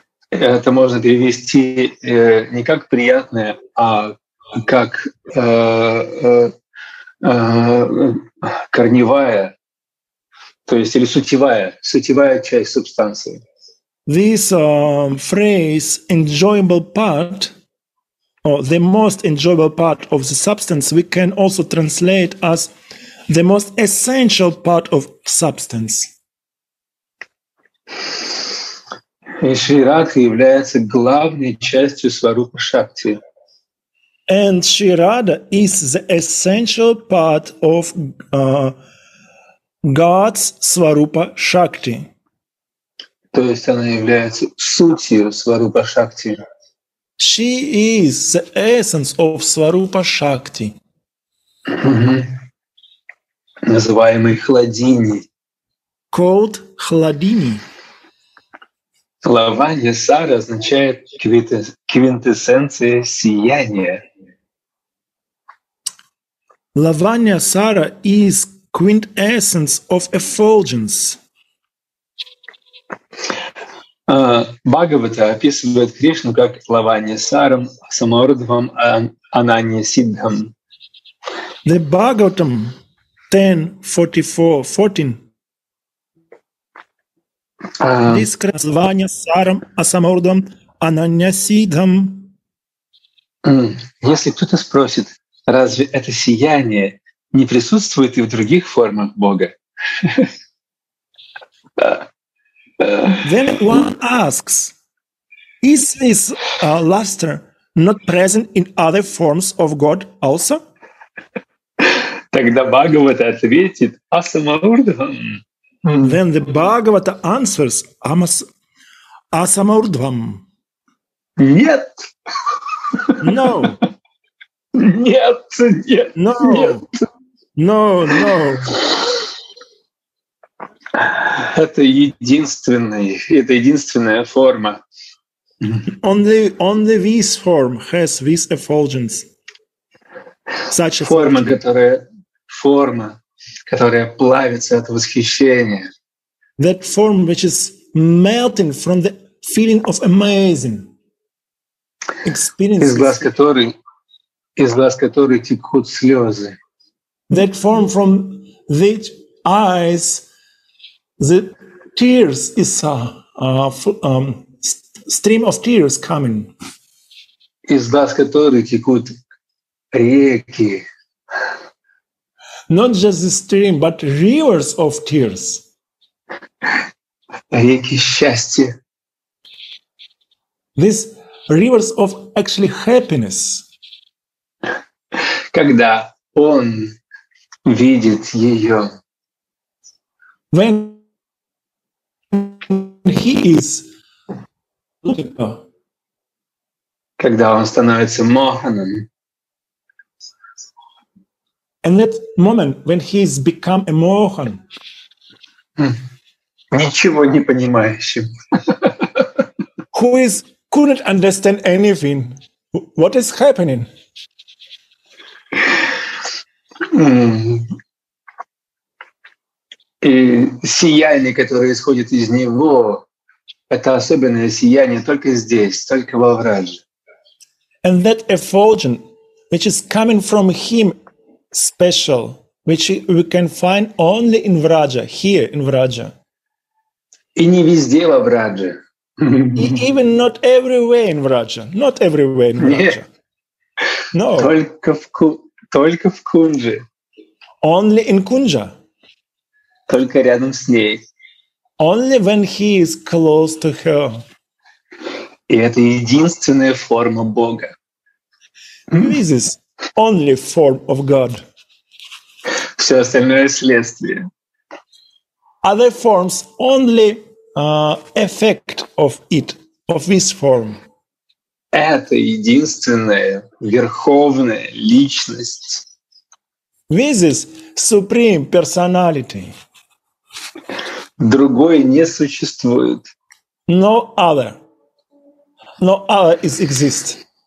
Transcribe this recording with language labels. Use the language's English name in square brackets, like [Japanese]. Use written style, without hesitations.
[Russian] Это можно перевести не как «приятное», а как «корневая». То есть или сутевая часть субстанции. [English] This phrase enjoyable part or the most enjoyable part of the substance we can also translate as the most essential part of substance. [Russian] И Шри Радха является главной частью Сварупа Шакти. [English] And Shri Radha is the essential part of God's Swarupa Shakti. [Russian] То есть она является сутью Сварупа Шакти. [English] She is the essence of Swarupa Shakti. [Russian] Называемый Хладини. [English] Called Хладини. [Russian] Лаванья Сара означает квинтэссенция сияния. [English] Лаванья Сара is quintessence of effulgence. [Russian] Бхагавата описывает Кришну как Лаванья Сарам Самарудвам Ананья Сиддхам. [English] The Bhagavatam 10.44.14 describes Лаванья Сарам Асамарудвам Ананья Сиддхам. [Russian] Если кто-то спросит, разве это сияние не присутствует и в других формах Бога? [English] Then one asks, is this luster not present in other forms of God also? [Russian] Тогда Бхагавата ответит Асамаурдхам. [English] Then the Bhagavata answers Асамаурдхам. [Russian] Нет. [English] No. [Russian] Нет, нет, [English] no. [Russian] Нет. [English] No, no. [Russian] Это единственная форма. [English] Only this form has this effulgence. Such a [Russian] форма, которая плавится от восхищения. [English] That form which is melting from the feeling of amazing experience. [Russian] Из глаз которой текут слезы. [English] That form from which eyes the tears is stream of tears coming. [Russian] Из глаз которой текут реки. [English] Not just the stream, but rivers of tears. [Russian] Реки счастья. [English] These rivers of actually happiness. [Russian] Когда он видит ее. [English] When he is beautiful. [Russian] Когда он становится Моханом. [English] And that moment when he is become a Mohan. [Russian] Ничего не понимающим. [English] Who is couldn't understand anything. What is happening? [Russian] И сияние, которое исходит из него, это особенное сияние только здесь, только во Враже. [English] And that effulgence, which is coming from him, special, which we can find only in Vraja, here in Vraja. [Russian] И не везде во Враже. [English] Even not everywhere in Vraja. Not everywhere in Vraja. No. [Russian] Только в Кунже. [English] Only in Kunja. [Russian] Только рядом с ней. [English] Only when he is close to her. [Russian] И это единственная форма Бога. [English] This is only form of God. [Russian] Все остальное следствие. [English] Other forms only effect of it, of this form. [Russian] Это единственная верховная личность. [English] This is supreme personality. [Russian] Другой не существует. [English] No other. No other is exist.